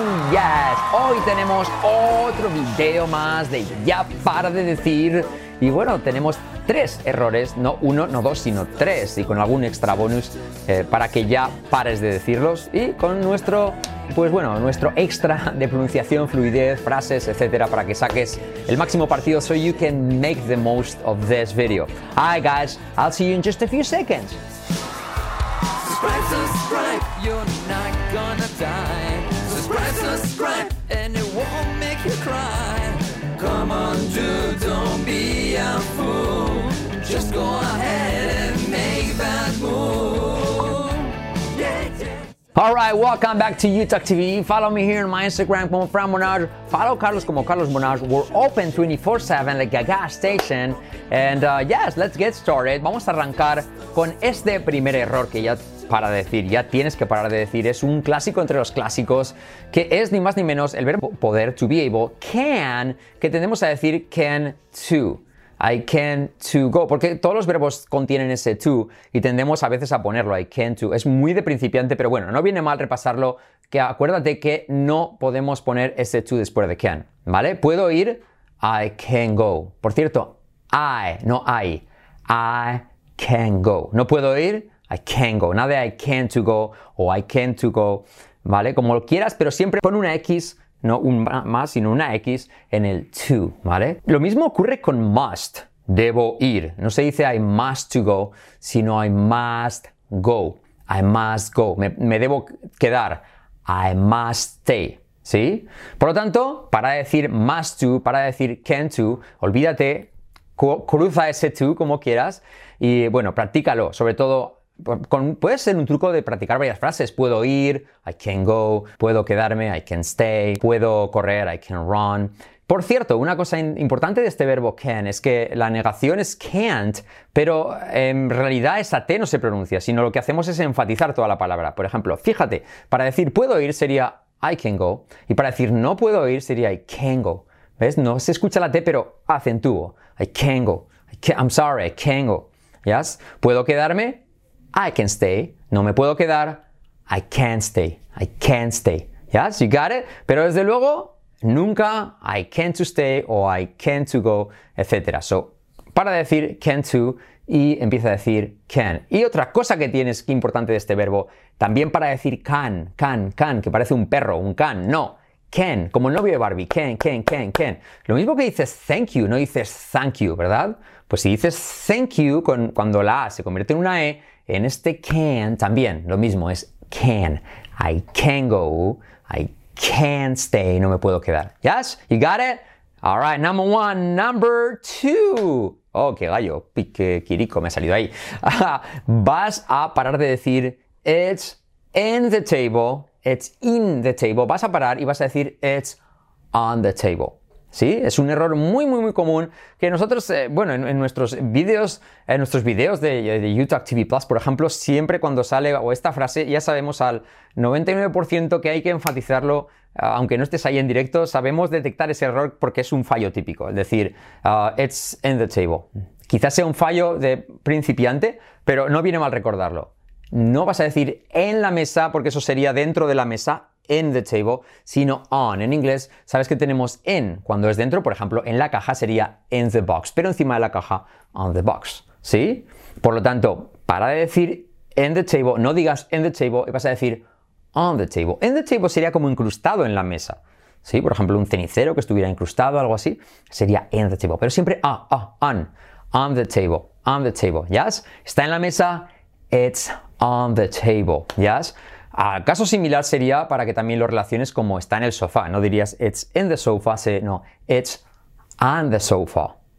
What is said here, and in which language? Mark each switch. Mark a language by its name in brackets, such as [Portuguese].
[Spanish] Yes, hoy tenemos otro video más de Ya para de decir. Y bueno, tenemos tres errores, no uno, no dos, sino tres, y con algún extra bonus para que ya pares de decirlos. Y con nuestro, pues bueno, nuestro extra de pronunciación, fluidez, frases, etcétera, para que saques el máximo partido. [English] So you can make the most of this video. Hi guys, I'll see you in just a few seconds. Subscribe, you're not gonna die. Subscribe, and it won't make you cry. Come on, dude, don't be a fool. Just go ahead and make that move. Yeah. All right, welcome back to YouTalk TV. Follow me here on my Instagram, como Fran Monage. Follow Carlos como Carlos Monage. We're open 24/7, like a gas station. And yes, let's get started. [Spanish] Vamos a arrancar con este primer error que ya para decir, ya tienes que parar de decir. Es un clásico entre los clásicos, que es ni más ni menos el verbo poder, [English] to be able, can, [Spanish] que tendemos a decir can to. [English] I can to go, [Spanish] porque todos los verbos contienen ese to y tendemos a veces a ponerlo, [English] I can to. [Spanish] Es muy de principiante, pero bueno, no viene mal repasarlo, que acuérdate que no podemos poner ese to después de can, ¿vale? Puedo ir, [English] I can go. [Spanish] Por cierto, I, no I, I can go. No puedo ir, [English] I can go. [Spanish] Nada de [English] I can to go [Spanish] o I can to go, ¿vale? Como lo quieras, pero siempre pon una X, no un más, sino una X en el to, ¿vale? Lo mismo ocurre con must, debo ir. No se dice [English] I must to go, [Spanish] sino [English] I must go. I must go. [Spanish] Me debo quedar. [English] I must stay, [Spanish] ¿sí? Por lo tanto, para decir must to, para decir can to, olvídate, cruza ese to como quieras y, bueno, practícalo, sobre todo. Puede ser un truco de practicar varias frases. Puedo ir, [English] I can go. [Spanish] Puedo quedarme, [English] I can stay. [Spanish] Puedo correr, [English] I can run. [Spanish] Por cierto, una cosa importante de este verbo can es que la negación es can't, pero en realidad esa T no se pronuncia, sino lo que hacemos es enfatizar toda la palabra. Por ejemplo, fíjate, para decir puedo ir sería [English] I can go, [Spanish] y para decir no puedo ir sería I can go. ¿Ves? No se escucha la T, pero acentúo. [English] I can go. I'm sorry, I can go. ¿Yes? [Spanish] ¿Puedo quedarme? [English] I can stay. [Spanish] No me puedo quedar. [English] I can't stay. I can't stay. Yes, you got it? [Spanish] Pero desde luego, nunca [English] I can't to stay [Spanish] o [English] I can't to go, [Spanish] etc. So, para decir can to y empieza a decir can. Y otra cosa que tienes que importante de este verbo, también para decir can, que parece un perro, un can. No, can, como el novio de Barbie. Can. Lo mismo que dices thank you, no dices thank you, ¿verdad? Pues si dices thank you, cuando la A se convierte en una E, en este can también lo mismo, es can. [English] I can go, I can stay, [Spanish] no me puedo quedar. [English] Yes, you got it? All right, number one, number two. [Spanish] Oh, qué gallo, pique quirico me ha salido ahí. Vas a parar de decir [English] it's in the table, [Spanish] it's in the table. Vas a parar y vas a decir [English] it's on the table. [Spanish] ¿Sí? Es un error muy, muy, muy común que nosotros, bueno, en nuestros vídeos, en nuestros vídeos de YouTalk TV Plus, por ejemplo, siempre cuando sale o esta frase, ya sabemos al 99% que hay que enfatizarlo, aunque no estés ahí en directo, sabemos detectar ese error porque es un fallo típico, es decir, [English] it's in the table. [Spanish] Quizás sea un fallo de principiante, pero no viene mal recordarlo. No vas a decir en la mesa, porque eso sería dentro de la mesa, [English] in the table, [Spanish] sino on. En inglés, sabes que tenemos in cuando es dentro, por ejemplo, en la caja sería [English] in the box, [Spanish] pero encima de la caja, [English] on the box, [Spanish] ¿sí? Por lo tanto, para decir [English] in the table, [Spanish] no digas in the table, vas a decir [English] on the table. [Spanish] In the table sería como incrustado en la mesa, ¿sí? Por ejemplo, un cenicero que estuviera incrustado, algo así, sería [English] in the table, [Spanish] pero siempre [English] on the table, on the table, [Spanish] ¿yes? Está en la mesa, [English] it's on the table, ¿yes? [Spanish] Caso similar sería para que también lo relaciones como está en el sofá. No dirías [English] it's in the sofa, no, it's on the sofa.